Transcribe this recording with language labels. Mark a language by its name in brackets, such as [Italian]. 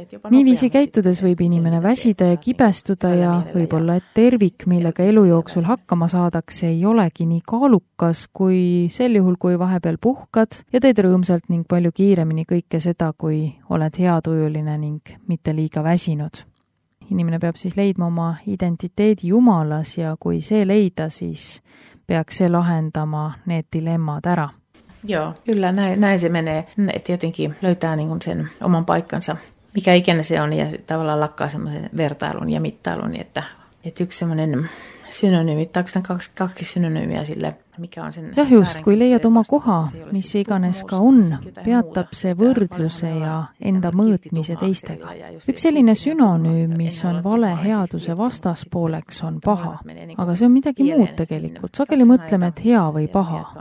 [Estonian] Nii viisi käitudes võib inimene väsida ja kibestuda ja võib-olla, et tervik, millega elujooksul hakkama saadakse, ei olegi nii kaalukas kui sel juhul, kui vahepeal puhkad ja teed rõõmsalt ning palju kiiremini kõike seda, kui oled heatujuline ning mitte liiga väsinud. Inimene peab siis leidma oma identiteedi Jumalas ja kui see leida, siis peaks see lahendama need dilemmad ära. [Finnish] Joo, kyllä, näin se menee, et jotenkin löytää niinku sen oman paikkansa, mikä ikinä se on ja tavallaan lakkaa semmoisen vertailun ja mittailun, että yksi semmoinen synonyymi, taakse on kaksi synonyymiä sille. [Estonian] Ja just, kui leiad oma koha, mis iganes ka on, peatab see võrdluse ja enda mõõtmise teistega. Üks selline sünonüüm, mis on vale headuse vastaspooleks, on paha. Aga see on midagi muud tegelikult. Sageli mõtleme, et hea või paha.